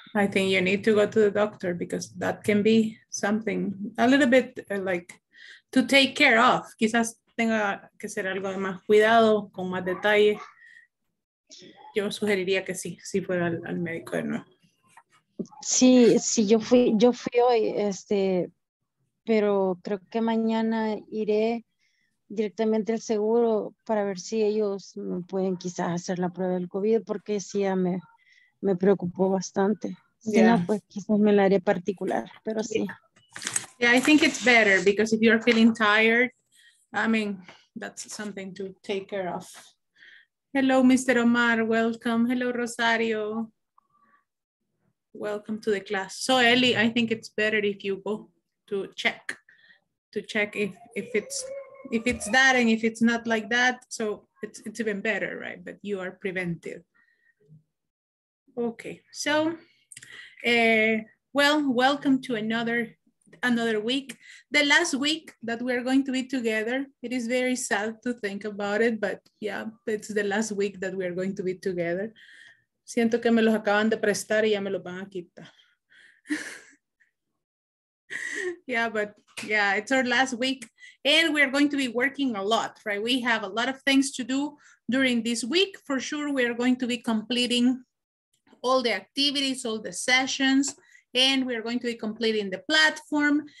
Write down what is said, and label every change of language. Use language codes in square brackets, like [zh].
[en] I think you need to go to the doctor because that can be something a little bit like to take care of, quizás. [es] Tenga que ser algo de más cuidado, con más detalle. Yo sugeriría que sí, si fuera al médico de nuevo. Sí, sí, yo fui hoy, pero creo que mañana iré directamente al seguro para ver si ellos me pueden quizás hacer la prueba del COVID, porque sí, ya me preocupó bastante. Yeah. Si no, pues quizás me la haré particular, pero sí. Yeah. [en] Yeah, I think it's better, because if you're feeling tired, I mean, that's something to take care of. Hello, Mr. Omar. Welcome. Hello, Rosario. Welcome to the class. So, Ellie, I think it's better if you go to check if it's that and if it's not like that. So, it's even better, right? But you are preventive. Okay. So, well, welcome to another week, the last week that we are going to be together. It is very sad to think about it, but yeah, it's the last week that we are going to be together. [es] Siento que me los acaban de prestar y ya me los van a quitar. [en] Yeah, but yeah, it's our last week and we are going to be working a lot, right? We have a lot of things to do during this week. For sure, we are going to be completing all the activities, all the sessions, and we are going to be completing the platform.